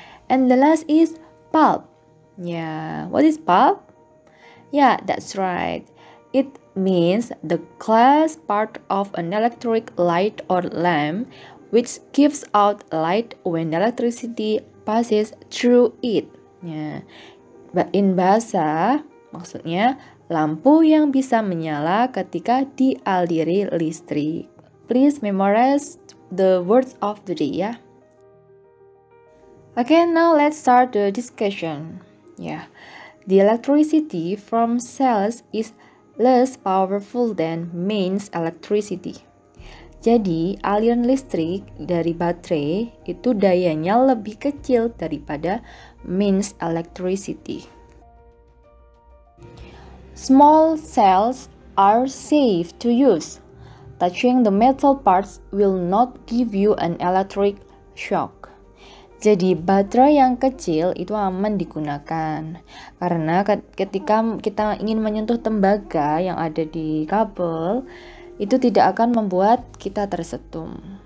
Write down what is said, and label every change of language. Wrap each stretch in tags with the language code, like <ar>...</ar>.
<en>And the last is pulp. Yeah, what is pulp? Yeah, that's right. It means the glass part of an electric light or lamp which gives out light when electricity passes through it. Yeah. But in bahasa,</en> <id>maksudnya lampu yang bisa menyala ketika dialiri listrik.</id> <en>Please memorize the words of the day, yeah? Okay, now let's start the discussion. Yeah, the electricity from cells is less powerful than mains electricity.</en> <id>Jadi, aliran listrik dari baterai itu dayanya lebih kecil daripada mains electricity.</id> <en>Small cells are safe to use. Touching the metal parts will not give you an electric shock.</en> <id>Jadi baterai yang kecil itu aman digunakan. Karena ketika kita ingin menyentuh tembaga yang ada di kabel, itu tidak akan membuat kita tersetum.</id>